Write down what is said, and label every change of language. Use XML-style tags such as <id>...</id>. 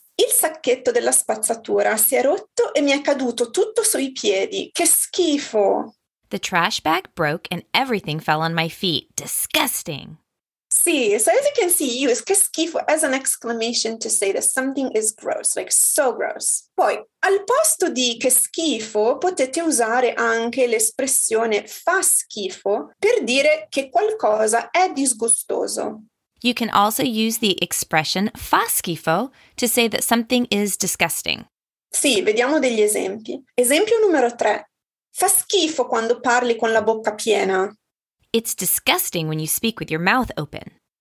<it>Il sacchetto della spazzatura si è rotto e mi è caduto tutto sui piedi. Che schifo.</it> <en>The trash bag broke and everything fell on my feet. Disgusting.</en> <it>Sì,</it> <en>so as you can see, use che schifo as an exclamation to say that something is gross, like so gross.</en> <it>Poi, al posto di che schifo, potete usare anche l'espressione fa schifo per dire che qualcosa è disgustoso.</it> <en>You can also use the expression fa schifo to say that something is disgusting.</en> <it>Sì, vediamo degli esempi. Esempio numero tre. Fa schifo quando parli con la bocca piena.</it> <en>It's disgusting when you speak with your mouth open.</en>